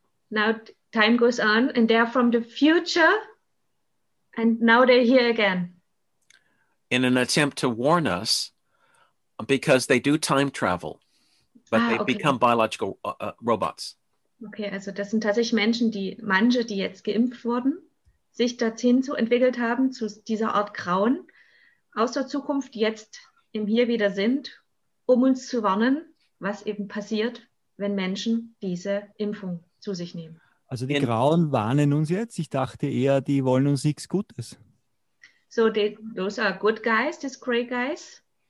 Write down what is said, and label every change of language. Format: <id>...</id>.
<en>Now time goes on and they are from the future. And now they're here again. In an attempt to warn us, because they do time travel. But they become biological robots.</en> <de>Okay, also das sind tatsächlich Menschen, die manche, die jetzt geimpft wurden, sich dorthin zu entwickelt haben, zu dieser Art Grauen aus der Zukunft, die jetzt im Hier wieder sind, um uns zu warnen, was eben passiert, wenn Menschen diese Impfung zu sich nehmen. Also die Grauen warnen uns jetzt? Ich dachte eher, die wollen uns nichts Gutes.</de> <en>So those are good guys, these gray guys.</en>